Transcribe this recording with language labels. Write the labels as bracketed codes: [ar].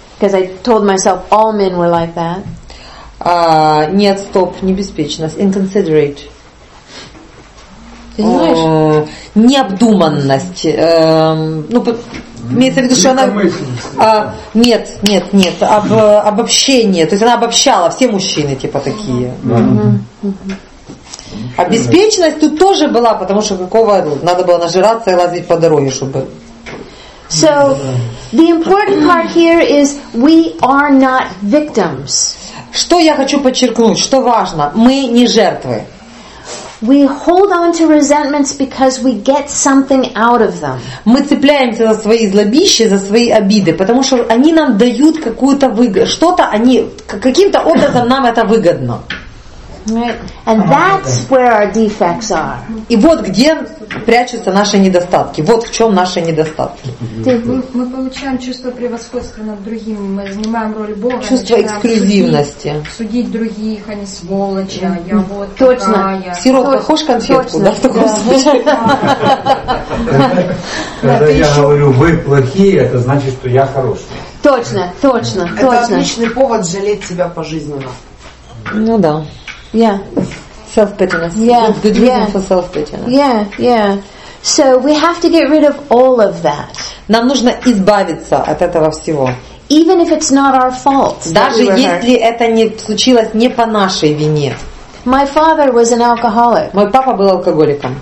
[en] Because I told myself all men were like that. [ru] Нет, стоп, не беспечность. [en] Inconsiderate. [ru] Ты знаешь? Необдуманность. Ну, имеется в виду, что она... нет, нет, нет. Обобщение. То есть она обобщала все мужчины, типа, такие. А беспечность тут тоже была, потому что какого надо было нажираться и лазить по дороге, чтобы. [en] So the important part here is we are not victims. [ru] Что я хочу подчеркнуть, что важно, мы не жертвы. [en] We hold on to resentments because we get something out of them. [ru] Мы цепляемся за свои злобища, за свои обиды, потому что они нам дают какую-то выгоду, что-то они каким-то образом нам это выгодно. [en] Right. And that's where our defects are. [ru] И вот где прячутся наши недостатки. Вот в чем наши недостатки. Мы получаем чувство превосходства над другими. Мы занимаем роль Бога. Чувство эксклюзивности. Судить других, они сволочи, а я вот такая. Точно. Сиротка, хочешь конфетку, да, в таком случае? Когда я говорю, вы плохие, это значит, что я хороший. Точно, точно, точно. Это отличный повод жалеть себя пожизненно. Ну да. [en] Yeah. Self-pityness. Yeah. Good reason yeah. for self-pityness. Yeah, yeah. So we have to get rid of all of that. [ru] Нам нужно избавиться от этого всего. [en] Even if it's not our fault. [ru] Даже если это не случилось не по нашей вине. [en] My father was an alcoholic. [ru] Мой папа был алкоголиком.